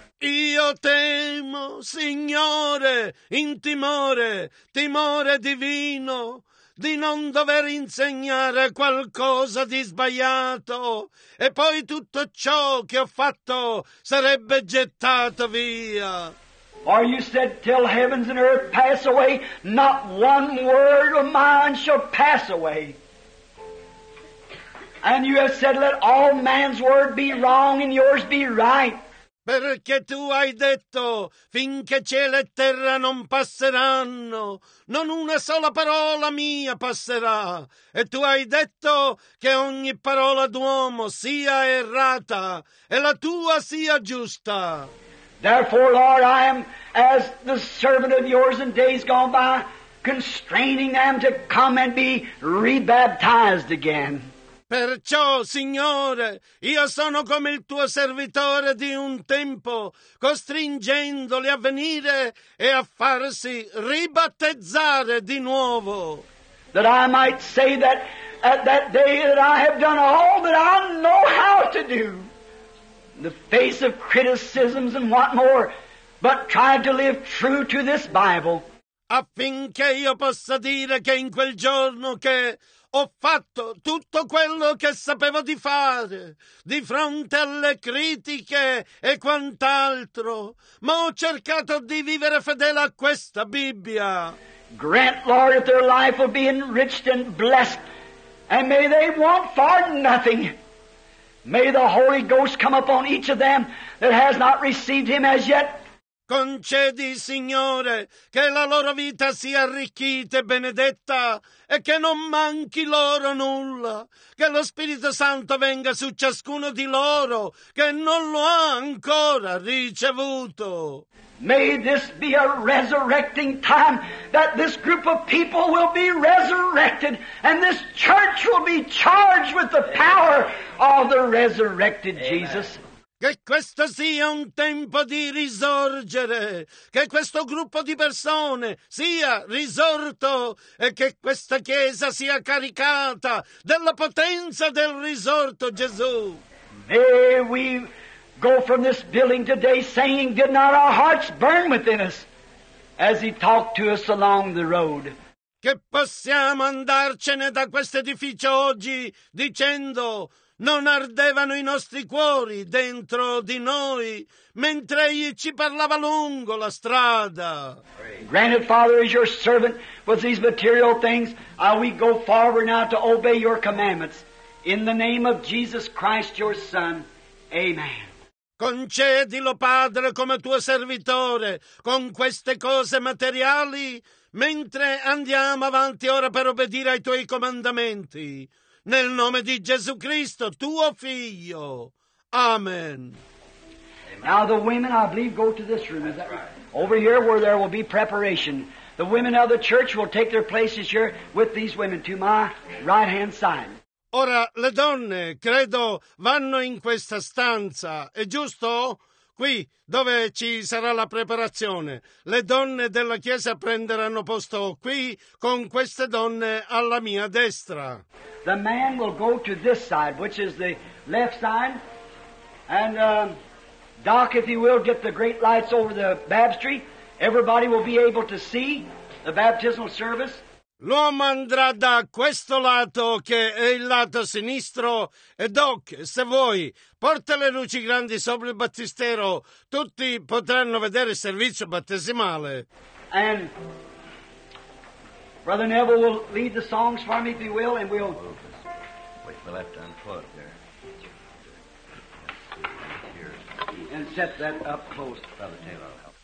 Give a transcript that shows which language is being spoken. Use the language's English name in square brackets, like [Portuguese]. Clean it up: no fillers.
[Italian] Io temo, Signore, in timore, timore divino, di non dover insegnare qualcosa di sbagliato, e poi tutto ciò che ho fatto sarebbe gettato via. [English] Or you said, till heavens and earth pass away, not one word of mine shall pass away. And you have said, let all man's word be wrong and yours be right. [Italian] Perché tu hai detto, finché cielo e terra non passeranno, non una sola parola mia passerà. E tu hai detto che ogni parola d'uomo sia errata e la tua sia giusta. [English] Therefore, Lord, I am as the servant of yours in days gone by, constraining them to come and be rebaptized again. [Italian] Perciò, Signore, io sono come il tuo servitore di un tempo, costringendoli a venire e a farsi ribattezzare di nuovo. [English] That I might say that at that day that I have done all that I know how to do, in the face of criticisms and what more, but tried to live true to this Bible. [Italian] Affinché io possa dire che in quel giorno che ho fatto tutto quello che sapevo di fare di fronte alle critiche e quant'altro, ma ho cercato di vivere fedele a questa Bibbia. [English] Grant, Lord, that their life will be enriched and blessed, and may they want for nothing. May the Holy Ghost come upon each of them that has not received Him as yet. [Italian] Concedi, Signore, che la loro vita sia arricchita e benedetta e che non manchi loro nulla, che lo Spirito Santo venga su ciascuno di loro che non lo ha ancora ricevuto. [English] May this be a resurrecting time, that this group of people will be resurrected and this church will be charged with the power of the resurrected Jesus. Amen. [Italian] Che questo sia un tempo di risorgere, che questo gruppo di persone sia risorto e che questa chiesa sia caricata della potenza del risorto Gesù. [English] May we go from this building today saying, did not our hearts burn within us as He talked to us along the road? [Italian] Che possiamo andarcene da questo edificio oggi dicendo, non ardevano i nostri cuori dentro di noi mentre Egli ci parlava lungo la strada. [English] Granted, Father, as your servant with these material things, we go forward now to obey your commandments. In the name of Jesus Christ, your Son. Amen. [Italian] Concedilo, Padre, come tuo servitore, con queste cose materiali, mentre andiamo avanti ora per obbedire ai tuoi comandamenti. Nel nome di Gesù Cristo, tuo figlio. Amen. [English] Now the women, I believe, go to this room. Is that right? Over here where there will be preparation. The women of the church will take their places here with these women to my right-hand side. [Italian] Ora, le donne, credo, vanno in questa stanza. È giusto? Qui, dove ci sarà la preparazione. Le donne della chiesa prenderanno posto qui, con queste donne alla mia destra. [English] The man will go to this side, which is the left side. And Doc, if you will, get the great lights over the baptistry. Everybody will be able to see the baptismal service. [Italian] L'uomo andrà da questo lato, che è il lato sinistro, e Doc, se vuoi, porta le luci grandi sopra il battistero, tutti potranno vedere il servizio battesimale. [English] And Brother Neville will lead the songs for me, if he will, and we'll... Wait the left hand foot there. And set that up close, Brother Taylor.